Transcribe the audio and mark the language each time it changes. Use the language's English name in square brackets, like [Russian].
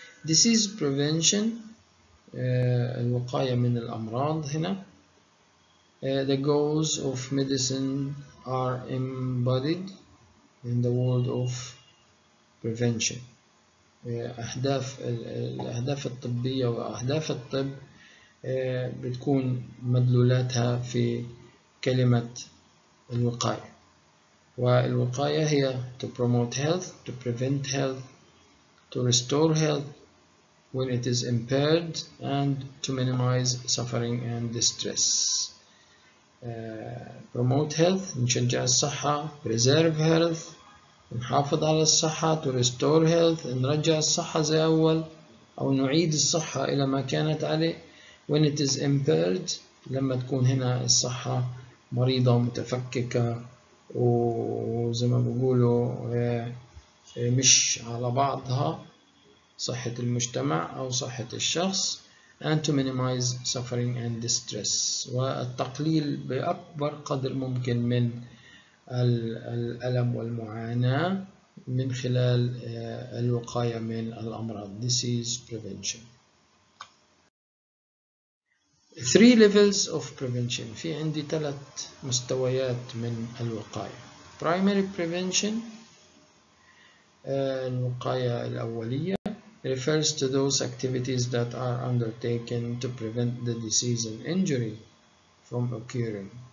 [English] Disease prevention [Arabic] الوقاية من الأمراض. هنا [English] the goals of medicine are embodied in the world of prevention. [Arabic] أهداف الأهداف الطبية وأهداف الطب بتكون مدلولاتها في كلمة الوقاية. والوقاية هي [English] to promote health, to prevent health, to restore health when it is impaired, and to minimize suffering and distress. Promote health، [Arabic] نشجع الصحة. [English] Preserve health، [Arabic] نحافظ على الصحة. [English] To restore health، [Arabic] نرجع الصحة زي أول، أو نعيد الصحة إلى ما كانت عليه. [English] When it is impaired، [Arabic] لما تكون هنا الصحة مريضة ومتفككة وزي ما بيقولوا مش على بعضها، صحة المجتمع أو صحة الشخص. [English] And to minimize suffering and distress، [Arabic] والتقليل بأكبر قدر ممكن من الألم والمعاناة من خلال الوقاية من الأمراض. [English] This is prevention. Three levels of prevention، [Arabic] في عندي ثلاث مستويات من الوقاية. [English] Primary prevention، [Arabic] الوقاية الأولية، [English] refers to those activities that are undertaken to prevent the disease and injury from occurring.